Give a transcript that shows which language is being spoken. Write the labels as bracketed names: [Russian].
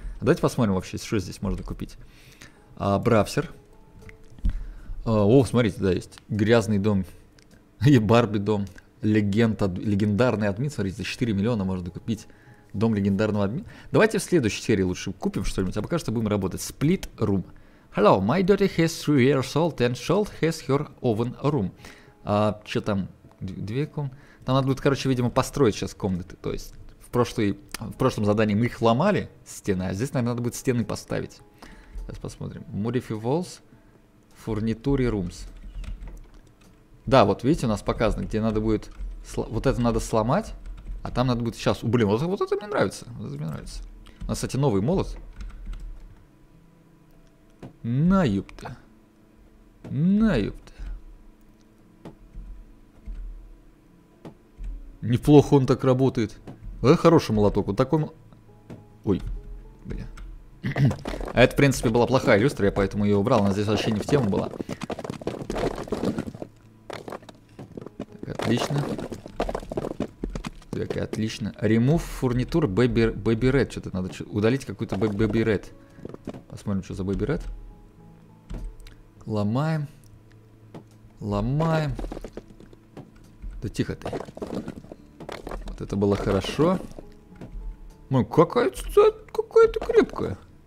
[Russian] А давайте посмотрим вообще, что здесь можно купить. А, Брабсер. О, смотрите, да, есть. Грязный дом. И Барби дом. Легенда, легендарный админ. Смотрите, за 4 миллиона можно купить дом легендарного админа. Давайте в следующей серии лучше купим что-нибудь. А пока что будем работать. [English] Split room. Hello, my daughter has 3 years old and Shold has her own room. [Russian] А, что там? Две комнаты. Там надо будет, короче, видимо, построить сейчас комнаты. То есть в прошлом задании мы их ломали, стены, а здесь, наверное, надо будет стены поставить. Сейчас посмотрим. [English] Modify walls. Фурнитуре rooms. [Russian] Да, вот видите, у нас показано, где надо будет... Вот это надо сломать, а там надо будет сейчас... Блин, вот это мне нравится. Вот это мне нравится. У нас, кстати, новый молот. На, ёпта. На, ёпта. Неплохо он так работает. Это хороший молоток. Вот такой... Ой. Бля. А это, в принципе, была плохая люстра, я поэтому ее убрал. Она здесь вообще не в тему была. Так, отлично. Так, отлично. [English] Remove фурнитур baby red. [Russian] Что-то надо удалить какую-то [English] baby red. [Russian] Посмотрим, что за baby red. Ломаем. Ломаем. Да тихо ты. Вот это было хорошо. Ой, какая-то крепкая.